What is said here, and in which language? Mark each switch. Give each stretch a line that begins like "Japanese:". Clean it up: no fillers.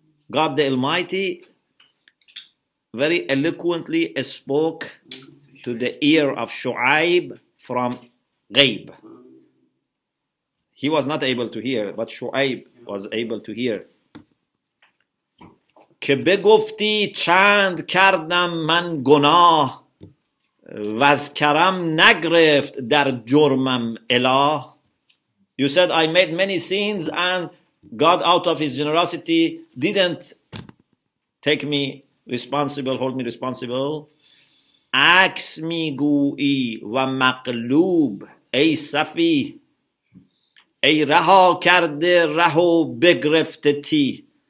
English: God the Almighty very eloquently spoke to the ear of Shu'aib from ghaib. He was not able to hear, but Shu'aib was able to hear.
Persian: که بگفتی چند کردم من گناه و از کرم نگرفت در جرمم اله.
English: You said I made many sins and God out of his generosity didn't take me responsible, hold me responsible.
Persian: عکس میگویی و مقلوب ای صفی ای رها کرده رهو بگرفته تی.